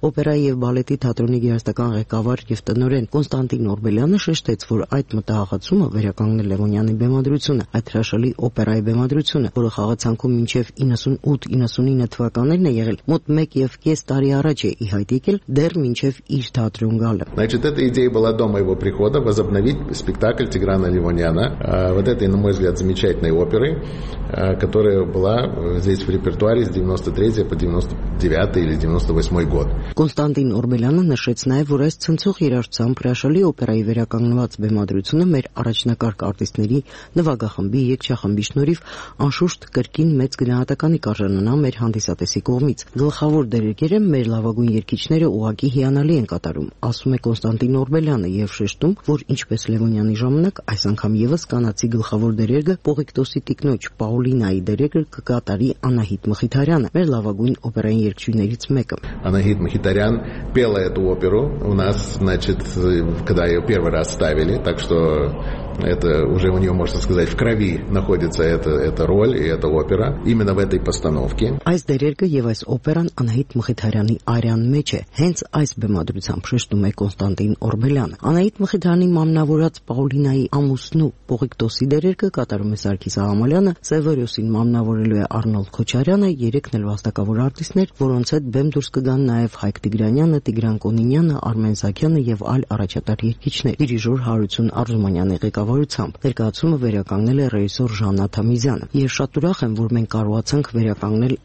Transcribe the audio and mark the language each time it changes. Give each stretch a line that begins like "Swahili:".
Armenian: օպերայի եւ բալետի թատրոնի գերազտական ղեկավար եւ տնօրեն Կոնստանտին Նորբելյանը շեշտեց, որ այդ մտահղացումը վերականգնել Լևոնյանի բեմադրությունը, այդ հրաշալի օպերայի բեմադրությունը, որը խաղացանկում մինչև 98-99 թվականներն է եղել, մոտ 1.5 տարի առաջ է ի հայտ եկել, դեռ մինչև իր թատրոն գալը։
Russian: Значит, эта идея была до моего прихода возобновить спектакль Тиграна Левоняна, вот этой, на мой взгляд, замечательной оперы, которая была здесь в репертуаре с 93 по 99 или 98 год.
Armenian: Константин Орбеляна նշեց նաև, որ այս ցնցող երաժշտական հրաշալի օպերայի վերականգնված բեմադրությունը մեր առաջնակարգ արտիստների նվագախմբի երգչախմբի շնորհիվ անշուշտ կրկին մեծ գնահատականի կարժանանա մեր հանդիսատեսի կողմից։ Գլխավոր դերերը մեր լավագույն երգիչները ուղակի հիանալի են կատարում, ասում է Կոնստանտին Օրբելյանը եւ շեշտում, որ ինչպես Լևոնյանի ժամանակ, այս անգամ եւս կանացի գլխավոր դերերը Պողիկտոսի տիկնոջ Պաուլինայի դերերը կկատարի Անահիտ Մխիթարյանը, մեր լավագույն օպերային երգչուհիներից մեկը։
Russian: Անահիտ Մխիթարյան пела эту оперу у нас, значит, когда её первый раз ставили, так что это уже у неё, можно сказать, в крови находится эта роль и эта опера именно в этой постановке.
Armenian: Այս դերերը եւ այս օպերան Անահիտ Մխիթարյանի արյան մեջ է, հենց այս բեմադրությամբ շեշտում է Կոնստանտին Օրբելյանը։ Անահիտ Մխիթարյանի մամնավորած Պաուլինայի ամուսնու Պողիկտոսի դերերը կատարում է Սարգիս Աղամալյանը, Սևորյոսին մամնավորելու է Արնոլդ Քոչարյանը, երեք նոր վաստակավոր արտիստներ, որոնց հետ բեմ դուրս կգան նաեւ Հայկ Տիգրանյանը, Տիգրան Կոնինյանը, Արմեն Զաքյանը եւ այլ առաջատար երգիչներ։ Դիրիժոր Հարություն Արզումանյանի ղեկավարությամբ ներկայացումը վերականգնել է ռեժիսոր Ժաննա Թամիզյանը։ Ես շատ ուրախ եմ, որ մենք կարողացանք վերականգնել